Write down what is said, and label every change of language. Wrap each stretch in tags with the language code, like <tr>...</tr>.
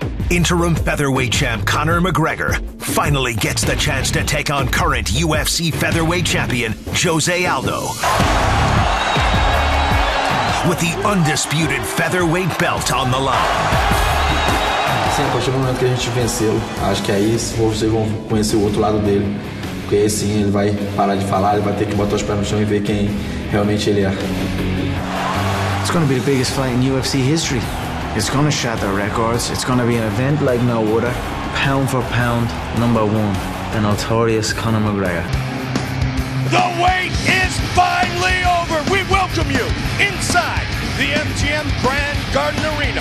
<en>Interim featherweight champ Conor McGregor finally gets the chance to take on current UFC featherweight champion Jose Aldo. With the undisputed featherweight belt on the line.</en> <pt>Sim, a partir do momento que a gente vencê-lo, acho que aí vocês vão conhecer o outro lado dele. Porque aí sim ele vai parar de falar, ele vai ter que botar os pés no chão e ver quem realmente ele é.</pt> <en>It's gonna be the biggest fight in UFC history. It's gonna shatter records, it's gonna be an event like no other. Pound for pound, number one, the notorious Conor McGregor. The wait is finally over! We welcome you inside the MGM Grand Garden Arena.</en>